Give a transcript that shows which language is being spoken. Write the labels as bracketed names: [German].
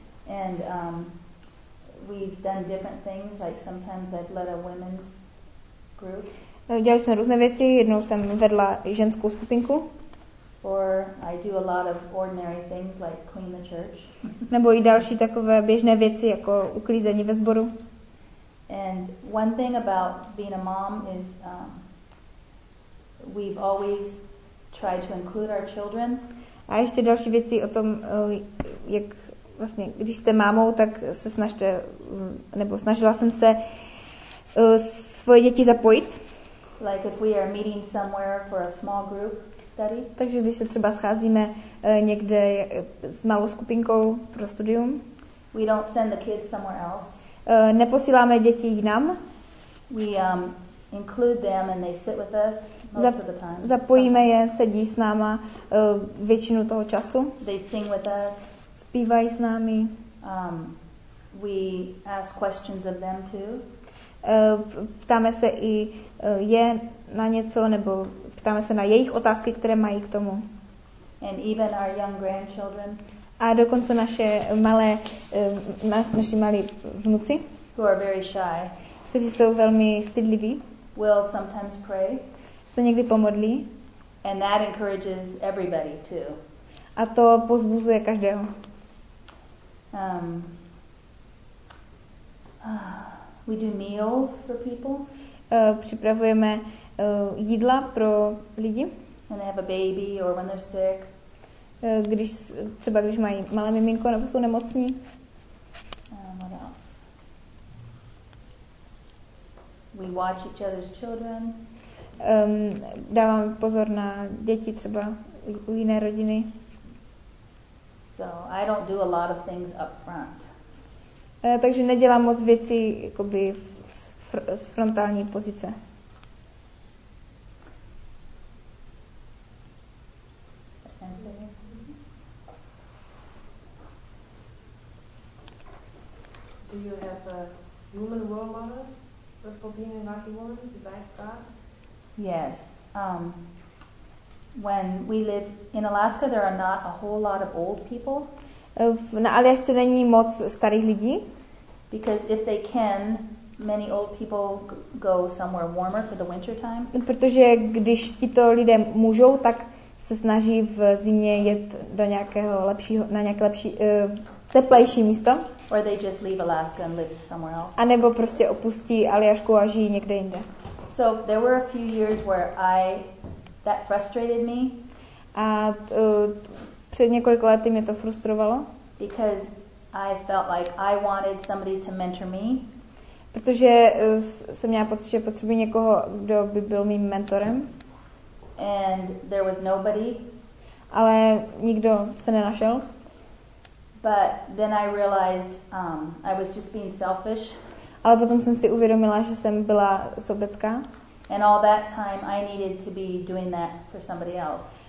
[English] And we've done different things, like sometimes I've led a women's group. [Czech] Dělali jsme různé věci. Jednou jsem vedla ženskou skupinku. [English] Or I do a lot of ordinary things like clean the church. [Czech] Nebo i další takové běžné věci jako uklízení ve sboru. [English] And one thing about being a mom is we've always tried to include our children. [Czech] A ještě další věci o tom, jak vlastně, když jste mámou, tak se snažte, nebo snažila jsem se svoje děti zapojit. [English] Like if we are meeting somewhere for a small group study. [Czech] Takže když se třeba scházíme někde s malou skupinkou pro studium. [English] We don't send the kids somewhere else. [Czech] Neposíláme děti jinam. [English] We include them and they sit with us most of the time. [Czech] Zapojíme je, sedí s náma většinu toho času. [English] They sing with us. [Czech] Zpívají s námi. [English] We ask questions of them too. [Czech] Ptáme se i je na něco nebo ptáme se na jejich otázky, které mají k tomu. [English] And even our young grandchildren. [Czech] A dokonce naše malé naši malí vnuci. [English] Who are very shy. [Czech] Kteří jsou velmi stydliví. [English] Will sometimes pray. [Czech] Se někdy pomodlí. [English] And that encourages everybody too. [Czech] A to pozbuzuje každého. [English] We do meals for people. [Czech] Připravujeme jídla pro lidi. [English] When they have a baby or when they're sick. [Czech] Když třeba když mají malé miminko nebo jsou nemocní. [English] What else? We watch each other's children. [Czech] Dávám pozor na děti třeba u jiné rodiny. [English] So I don't do a lot of things up front. [Czech] Takže nedělám moc věcí jakoby z frontální pozice. [English] Do you have human role models for being a lucky woman besides God? Yes. When we live in Alaska, there are not a whole lot of old people. [Czech] Na Aljašce není moc starých lidí. [English] Because if they can, many old people go somewhere warmer for the winter time. [Czech] Protože když tito lidé můžou, tak se snaží v zimě jet do nějakého lepšího, na nějaké lepší, teplejší místo. [English] Or they just leave Alaska and live somewhere else. [Czech] A nebo prostě opustí Aljašku a žijí někde jinde. [English] So there were a few years where that frustrated me. [Czech] A před několik lety mě to frustrovalo. [English] Because I felt like I wanted somebody to mentor me. [Czech] Protože jsem měla pocit, že potřebuji někoho, kdo by byl mým mentorem. [English] And there was nobody. [Czech] Ale nikdo se nenašel. [English] But then I realized I was just being selfish. [Czech] Ale potom jsem si uvědomila, že jsem byla sobecká. [English] And all that time I needed to be doing that for somebody else.